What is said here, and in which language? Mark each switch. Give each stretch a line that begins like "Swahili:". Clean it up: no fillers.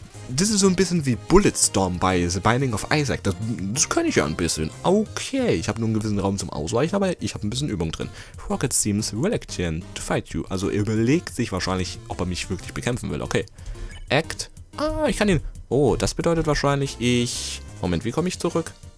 German: Das ist so ein bisschen wie Bulletstorm bei The Binding of Isaac. Das kann ich ja ein bisschen. Okay, ich habe nur einen gewissen Raum zum Ausweichen, aber ich habe ein bisschen Übung drin.
English: Rocket seems reluctant to fight you.
German: Also er überlegt sich wahrscheinlich, ob er mich wirklich bekämpfen will. Okay. Act. Ah, ich kann ihn. Oh, das bedeutet wahrscheinlich, ich... Moment, wie komme ich zurück?